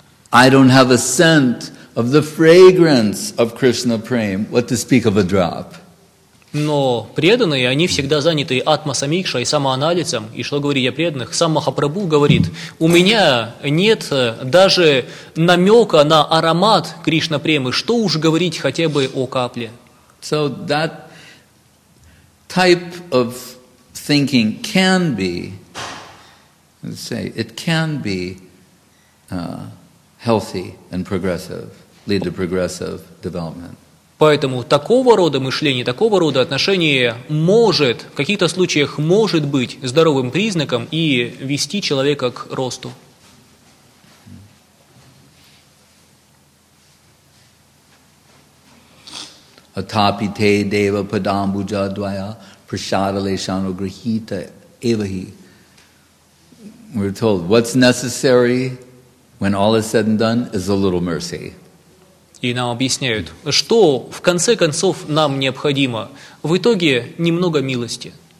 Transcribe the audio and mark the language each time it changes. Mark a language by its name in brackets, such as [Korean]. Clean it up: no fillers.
[English] I don't have a scent of the fragrance of Krishna prema. What to speak of a drop? [Russian] Но преданные, они всегда заняты атма-самикшей, самоанализом. И что говорить о преданных? Сам Махапрабху говорит, у меня нет даже намека на аромат Кришна-премы. Что уж говорить хотя бы о капле? [English] So that type of thinking can be, let's say, it can be healthy and progressive, lead to progressive development. [Russian] Поэтому такого рода мышление, такого рода отношение может, в каких-то случаях может быть здоровым признаком и вести человека к росту. [Sanskrit] Атапи те дева падамбуджа двая прашадале шану грахита эвахи. [English] We're told, what's necessary when all is said and done is a little mercy. [Russian] И нам объясняют, что в конце концов нам необходимо. В итоге немного милости.